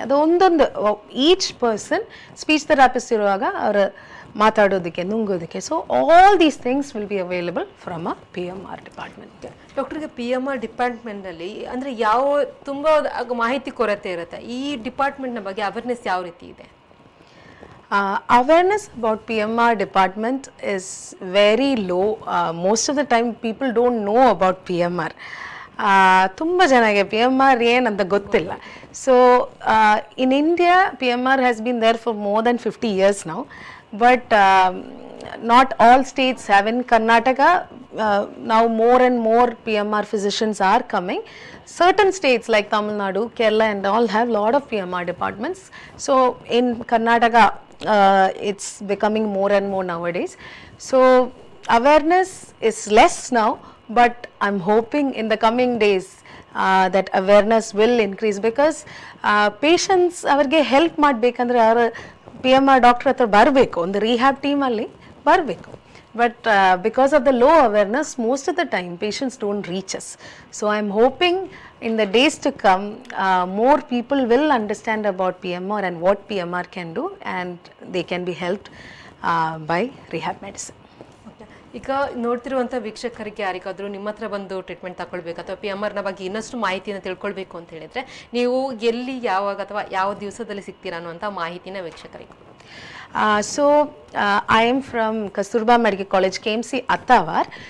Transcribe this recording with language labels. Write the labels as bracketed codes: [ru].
[kn] ಅದು ಒಂದೊಂದು each person speech therapist ಇರುವಾಗ ಅವರ ಮಾತಾಡೋದಕ್ಕೆ, ನುಂಗೋದಕ್ಕೆ, [en] So all these things will be available from a P M R department. [kn] ಡಾಕ್ಟರ್ಗೆ P M R ಡಿಪಾರ್ಟ್ಮೆಂಟಲ್ಲಿ ಅಂದರೆ ಯಾವ ತುಂಬ ಮಾಹಿತಿ ಕೊರತೆ ಇರುತ್ತೆ, ಈ ಡಿಪಾರ್ಟ್ಮೆಂಟ್ನ ಬಗ್ಗೆ ಅವೇರ್ನೆಸ್ ಯಾವ ರೀತಿ ಇದೆ? [en] Awareness about PMR department is very low. Most of the time people don't know about PMR. [kn] ತುಂಬ ಜನಕ್ಕೆ ಪಿ ಎಮ್ ಆರ್ ಏನಂತ ಗೊತ್ತಿಲ್ಲ. [en] So in India P M R has been there for more than 50 years now, but not all states have. In Karnataka ನಾವು more and more P M R physicians are coming. Certain states like Tamil Nadu, Kerala and all have lot of P M R departments. So in Karnataka it's becoming more and more nowadays. So awareness is less now, but I am hoping in the coming days that awareness will increase, because [kn] patients ಅವ್ರಿಗೆ help ಮಾಡಬೇಕಂದ್ರೆ ಅವರು P M R doctor ಹತ್ರ ಬರಬೇಕು, ಒಂದು ರೀಹ್ಯಾಬ್ ಟೀಮಲ್ಲಿ ಬರಬೇಕು. [en] But because of the low awareness, most of the time patients don't reach us. So I am hoping in the days to come, more people will understand about PMR and what PMR can do, and they can be helped by rehab medicine. [kn] ಈಗ ನೋಡ್ತಿರುವಂಥ ವೀಕ್ಷಕರಿಗೆ ಯಾರಿಗಾದರೂ ನಿಮ್ಮ ಹತ್ರ ಬಂದು treatment ತಗೊಳ್ಬೇಕು ಅಥವಾ P M ಆರ್ನ ಬಗ್ಗೆ ಇನ್ನಷ್ಟು ಮಾಹಿತಿಯನ್ನು ತಿಳ್ಕೊಳ್ಬೇಕು ಅಂತ ಹೇಳಿದರೆ ನೀವು ಎಲ್ಲಿ ಯಾವಾಗ ಅಥವಾ ಯಾವ ದಿವಸದಲ್ಲಿ ಸಿಗ್ತೀರಾ ಅನ್ನುವಂಥ ಮಾಹಿತಿನ ವೀಕ್ಷಕರಿಗೆ? [en] So I am from Kasturba medical college KMC Attavar.